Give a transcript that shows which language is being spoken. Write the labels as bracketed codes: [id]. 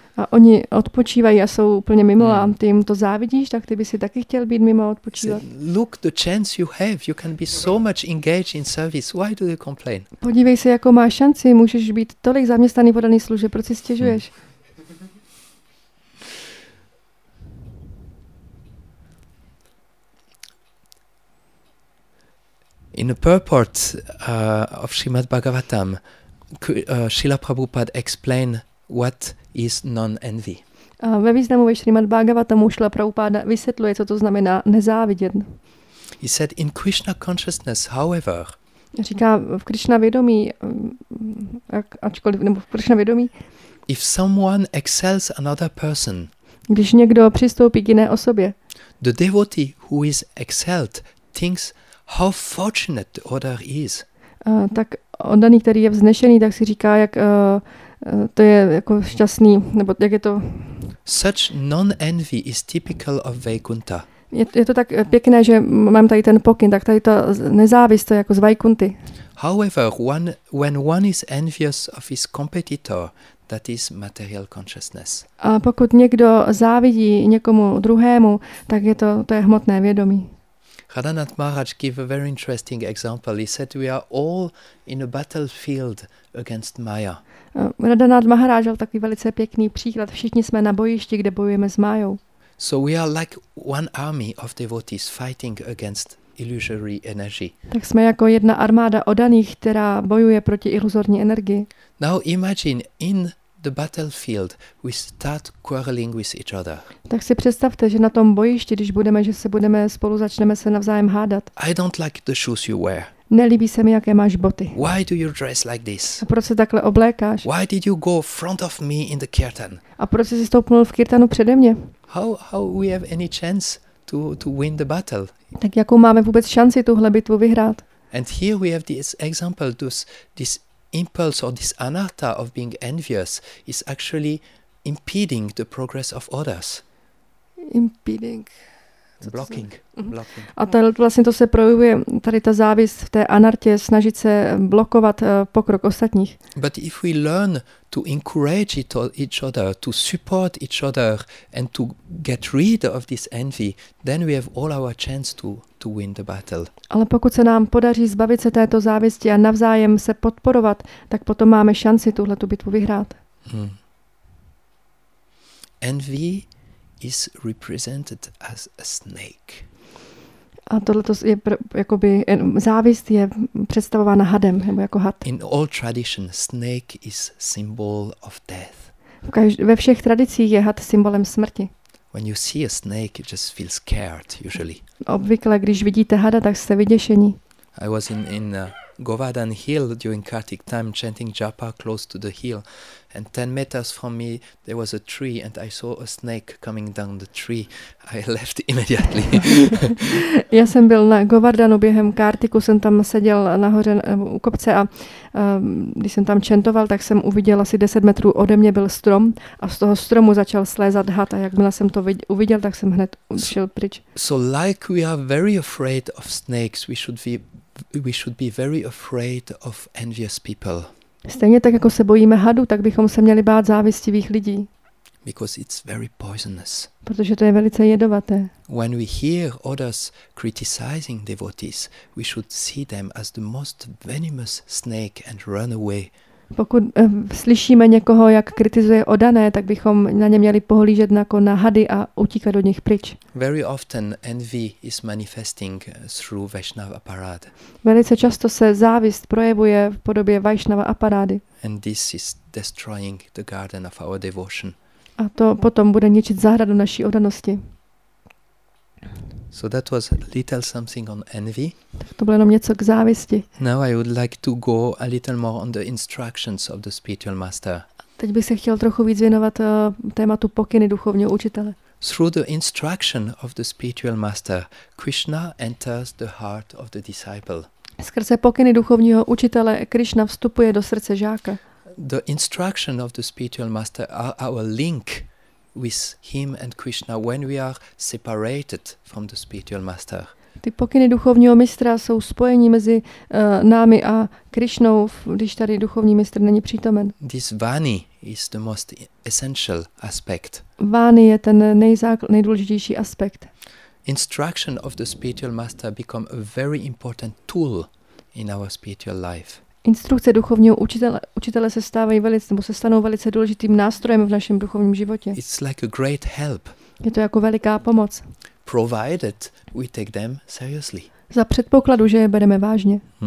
[cs] A oni odpočívají a jsou úplně mimo a ty jim to závidíš, tak ty by si taky chtěl být mimo a odpočívat. [en] Look the chance you have. You can be so much engaged in service. Why do you complain? [cs] Podívej se, jakou máš šanci. Můžeš být tolik zaměstnaný v podaný služe. Proč si stěžuješ? [en] In a purport of Srimad Bhagavatam, Srila Prabhupada explained what is non-envy. [cs] Ve významu Srimad Bhagavatam Srila Prabhupada vysvětluje, co to znamená nezávidět. [en] He said, in Krishna consciousness, however, [cs] říká v Krishna vědomí, ačkoliv, nebo v Krishna vědomí, [en] if someone excels another person, [cs] když někdo přistoupí k jiné osobě, [en] the devotee who is excelled thinks, how fortunate the other is. [cs] Tak oddaný, který je vznešený, tak si říká, jak to je jako šťastný, nebo jak je to. [en] Such non-envy is typical of Vaikuntha. [cs] Je to tak pěkné, že mám tady ten pokyn, tak tady to nezávist, to je jako z Vaikunty. [en] However, when one is envious of his competitor, that is material consciousness. [cs] A pokud někdo závidí někomu druhému, tak je to je hmotné vědomí. [en] Radhanath Maharaj gave a very interesting example. He said, we are all in a battlefield against Maya. [cs] Radhanath Maharaj dal takový velice pěkný příklad. Všichni jsme na bojišti, kde bojujeme s Mayou. [en] So we are like one army of devotees fighting against illusory energy. [cs] Tak jsme jako jedna armáda oddaných, která bojuje proti iluzorní energii. [en] Now imagine in the battlefield we start quarreling with each other. [cs] Tak si představte, že na tom bojišti, když budeme, že se budeme spolu začneme se navzájem hádat. [en] I don't like the shoes you wear. [cs] Nelíbí se mi, jaké máš boty. [en] Why do you dress like this? [cs] A proč se takhle oblékáš? [en] Why did you go front of me in the kirtan? [cs] A proč jsi stoupnul v kirtanu přede mě? [en] How we have any chance to win the battle? [cs] Tak jakou máme vůbec šanci tuhle bitvu vyhrát? [en] And here we have this example, this impulse or this anatta of being envious is actually impeding the progress of others. Impeding. Blocking. [cs] A to vlastně to se projevuje tady ta závist v té anartě snažit se blokovat pokrok ostatních. [en] But if we learn to encourage each other, to support each other and to get rid of this envy, then we have all our chance to win the battle. [cs] Ale pokud se nám podaří zbavit se této závisti a navzájem se podporovat, tak potom máme šanci tuhle tu bitvu vyhrát. [en] Envy is represented as a snake. [cs] A tohle to je jakoby závist je představována hadem nebo jako had. [en] In all tradition, snake is symbol of death. [cs] Ve všech tradicích je had symbolem smrti. [en] When you see a snake, you just feel scared usually. [cs] Obvykle, když vidíte hada, tak jste vyděšení. [en] I was in Govardhan Hill during Kartik time chanting japa close to the hill. And 10 meters from me, there was a tree and I saw a snake coming down the tree. I left immediately. [cs] Já jsem byl na Govardhanu během Kartiku, jsem tam seděl nahoře u kopce a když jsem tam čentoval, tak jsem uviděl asi 10 metrů ode mě byl strom a z toho stromu začal slézat had a jakmile jsem to uviděl, tak jsem hned šel pryč. [en] So like we are very afraid of snakes, we should be very afraid of envious people. [cs] Stejně tak jako se bojíme hadu, tak bychom se měli bát závistivých lidí. [en] Because it's very poisonous. [cs] Protože to je velice jedovaté. [en] When we hear others criticizing devotees, we should see them as the most venomous snake and run away. [cs] Pokud slyšíme někoho, jak kritizuje oddané, tak bychom na ně měli pohlížet jako na hady a utíkat od nich pryč. [en] Very often envy is manifesting through Vaishnava aparat. [cs] Velice často se závist projevuje v podobě Vaishnava aparády. [en] And this is destroying the garden of our devotion. [cs] A to potom bude ničit zahradu naší oddanosti. [en] So that was a little something on envy. [cs] To bylo jenom něco k závisti. [en] Now I would like to go a little more on the instructions of the spiritual master. [cs] Teď bych se chtěl trochu víc věnovat tématu pokyny duchovního učitele. [en] Through the instruction of the spiritual master, Krishna enters the heart of the disciple. [cs] Skrze pokyny duchovního učitele Krishna vstupuje do srdce žáka. [en] The instruction of the spiritual master are our link with him and Krishna when we are separated from the spiritual master. [cs] Ty pokyny duchovního mistra jsou spojení mezi námi a Krishnou, když tady duchovní mistr není přítomen. [en] This vani is the most essential aspect. [cs] Vani je ten nejdůležitější aspekt. [en] Instruction of the spiritual master become a very important tool in our spiritual life. [cs] Instrukce duchovního učitele se stávají se stanou velice důležitým nástrojem v našem duchovním životě. [en] It's like a great help. [cs] Je to jako veliká pomoc. [en] Provided we take them seriously. [cs] Za předpokladu, že je bereme vážně.